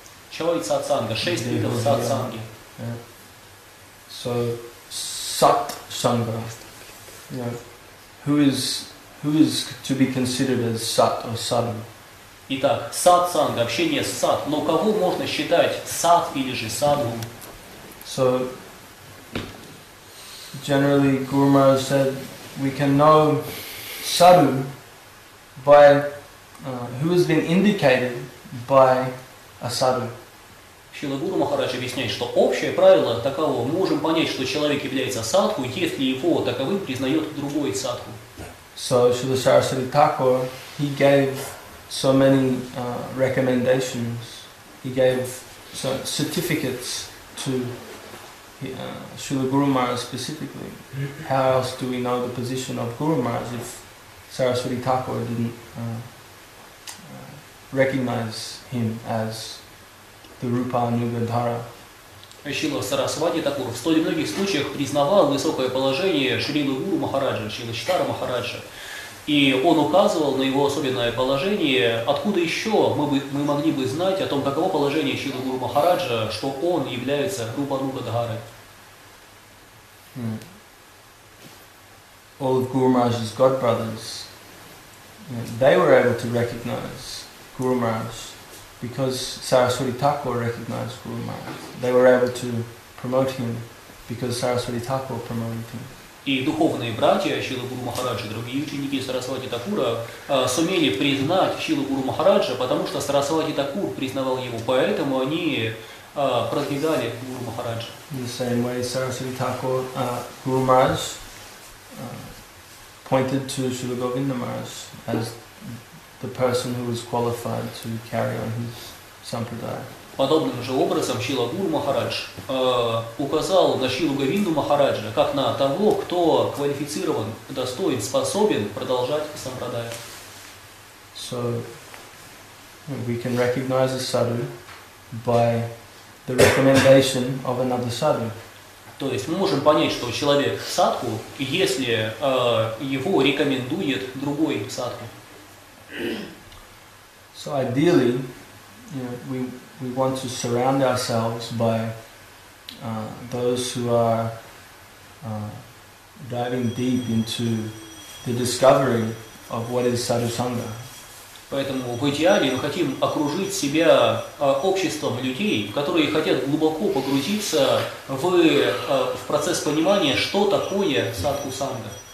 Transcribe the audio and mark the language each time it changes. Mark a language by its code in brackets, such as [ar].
[ru] Чой Сатсанга, шесть видов Сатсанги. [en] So, Сатсанга. Yeah. Who is to be considered as Sat or Sadhu? [ru] Итак, сатсанга, общение с сад. Но кого можно считать сад или же садху? [en] So, generally, Guru Maharaj said, we can know sadhu by who has been indicated by a sadhu. [ru] Шрила Гуру Махарадж объясняет, что общее правило таково. Мы можем понять, что человек является садху, если его таковым признает другой садху. [en] So, Шрила Сарасвати Такур, he gave so many recommendations. He gave so certificates to Srila Guru Maharaj specifically. How else do we know the position of Guru Maharaj if Saraswati Thakur didn't recognize him as the Rupa Anugadhara? [ru] Шрила Сарасвати Такур в столь многих случаях признавал высокое положение Шрилы Гуру Махараджа, Шрилы Читара Махараджа. И он указывал на его особенное положение, откуда еще мы могли бы знать о том, каково положение Шрилы Гуру Махараджа, что он является Рупа Анугадхарой. [en] All of Guru Maharaj's god brothers, they were able to recognize Guru Maharaj because Saraswati Thakur recognized Guru Maharaj. They were able to promote him because Saraswati Thakur promoted him. [ru] И духовные братья Шрилы Гуру Махараджа, другие ученики Сарасвати Такура, сумели признать Шрилу Гуру Махараджа, потому что Сарасвати Такур признавал его. Поэтому они продвигали Гуру Махараджа. [en] In the same way, Сарасвати Такур, Гуру Махарадж, pointed to Шрила Говинда Махарадж as the person who was qualified to carry on his sampradaya. [ru] Подобным же образом Шрила Гуру Махарадж указал на Шрилу Говинду Махараджа как на того, кто квалифицирован, достоин, способен продолжать сампрадаю. [en] So we can recognize a sadhu by the recommendation of another sadhu. [ru] То есть мы можем понять, что человек в садху, если его рекомендует другой в садху. [en] So ideally, you know, we want to surround ourselves by those who are diving deep into the discovery of what is sadhusanga. [ru] Поэтому в идеале мы хотим окружить себя обществом людей, которые хотят глубоко погрузиться в процесс понимания, что такое садху-санга.